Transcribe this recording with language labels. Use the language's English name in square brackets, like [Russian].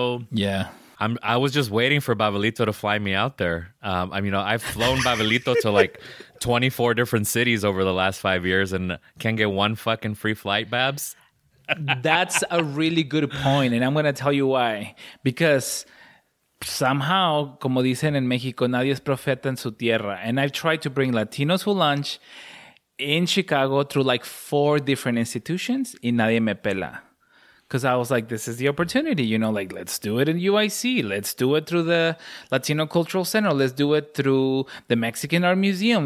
[English] Yeah. I was just waiting for Babalito to fly me out there. I've flown Babalito to like 24 different cities over the last 5 years and can't get one fucking free flight, Babs. That's a really good point, and I'm going to tell you why. Because somehow, [Spanish] como dicen en México, nadie es profeta en su tierra. [English] And I've tried to bring Latinos Who Lunch in Chicago through like 4 different institutions [Spanish] y nadie me pela. [English] Because I was like, this is the opportunity, you know, like, let's do it in UIC. Let's do it through the Latino Cultural Center. Let's do it through the Mexican Art Museum.